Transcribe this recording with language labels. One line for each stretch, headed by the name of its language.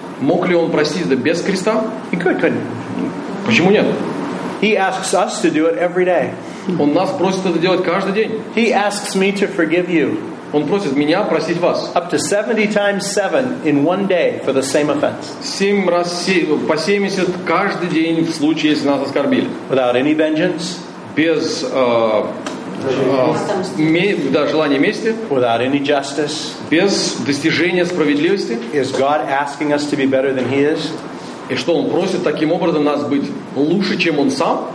Russian: Мог ли он простить это без креста?
English: He could, couldn't.
Russian: Почему нет?
English: He asks us to do it every day.
Russian: Он нас просит это делать каждый день.
English: He asks me to forgive you.
Russian: Он просит меня простить вас.
English: Up to 70 times 7 in one day for the same offense.
Russian: 7 раз по 70 каждый день в случае, если нас оскорбили.
English: Without any vengeance.
Russian: Без желания мести.
English: Without any justice.
Russian: Без достижения справедливости.
English: Is God asking us to be better than He is?
Russian: И что он просит таким образом нас быть лучше, чем он сам?